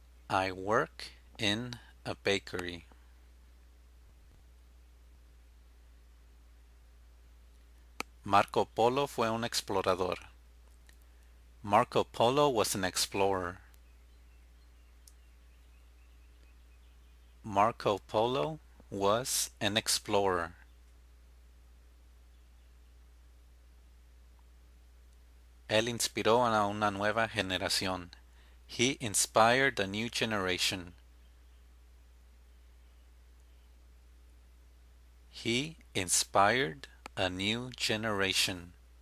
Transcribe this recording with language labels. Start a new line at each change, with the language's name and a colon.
English: I work in a bakery.
Spanish: Marco Polo fue un explorador.
English: Marco Polo was an explorer. Marco Polo was an explorer.
Spanish: Él inspiró a una nueva generación.
English: He inspired a new generation. He inspired a new generation.